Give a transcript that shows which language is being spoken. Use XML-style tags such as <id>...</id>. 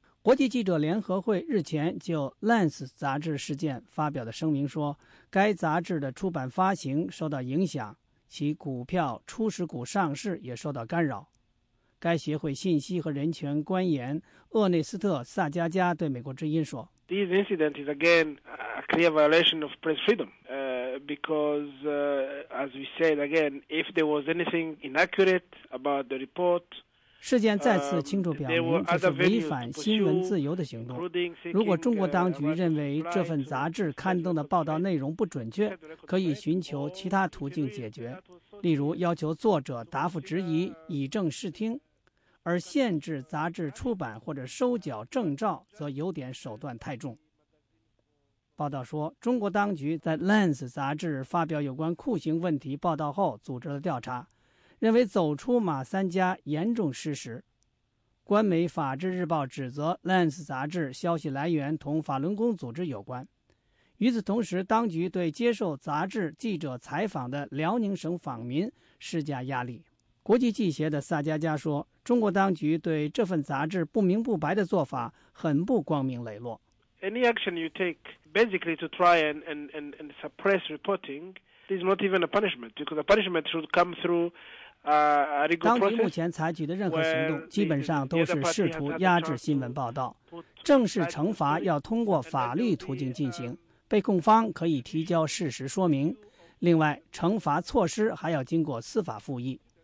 <zh>国际记者联合会日前就 Lens 杂志事件发表的声明说，该杂志的出版发行受到影响，其股票初始股上市也受到干扰。该协会信息和人权官员厄内斯特·萨加加对美国之音说</zh> <en>This incident is again a clear violation of press freedom, because, as we said again, if there was anything inaccurate about the report,</en> <zh>事件再次清楚表明这是违反新闻自由的行动。如果中国当局认为这份杂志刊登的报道内容不准确，可以寻求其他途径解决，例如要求作者答复质疑，以正视听，而限制杂志出版或者收缴证照则有点手段太重。报道说，中国当局在 Lens 杂志发表有关酷刑问题报道后组织了调查，认为走出马三家严重失实。官媒法制日报指责 Lens 杂志消息来源同法轮功组织有关。与此同时，当局对接受杂志记者采访的辽宁省访民施加压力。国际记协的萨加加说，中国当局对这份杂志不明不白的做法很不光明磊落。</zh> <en>Any action you take basically to try and suppress reporting is not even a punishment, because the punishment should come through</en> <zh>当局目前采取的任何行动基本上都是试图压制新闻报道，正式惩罚要通过法律途径进行，被控方可以提交事实说明，另外惩罚措施还要经过司法复议。</zh>